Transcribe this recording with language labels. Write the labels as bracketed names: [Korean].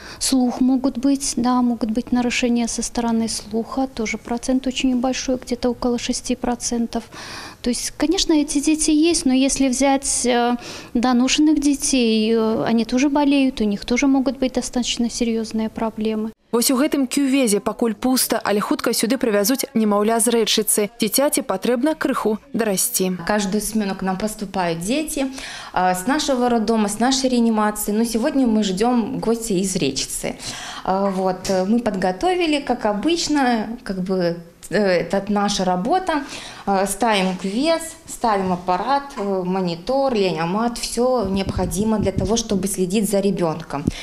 [Russian] Слух могут быть, да, могут быть нарушения со стороны слуха, тоже процент очень большой, где-то около 6%. То есть, конечно, эти дети есть, но если взять доношенных детей, они тоже болеют, у них тоже могут быть достаточно серьезные проблемы. [Belarusian] Вось у гэтым кювезе пакуль пусто, але хутка сюды привязуць немаўля з рэчыцы. Дзіцяці патрэбна крыху дарасці. [Russian] Каждую смену к нам поступают дети с нашего роддома, с нашей реанимации. Но сегодня мы ждем гостя из рэчыцы. Вот, мы подготовили, как обычно, как бы это наша работа. Ставим квес, ставим аппарат, монитор, леонемат, все необходимо для того, чтобы следить за ребенком.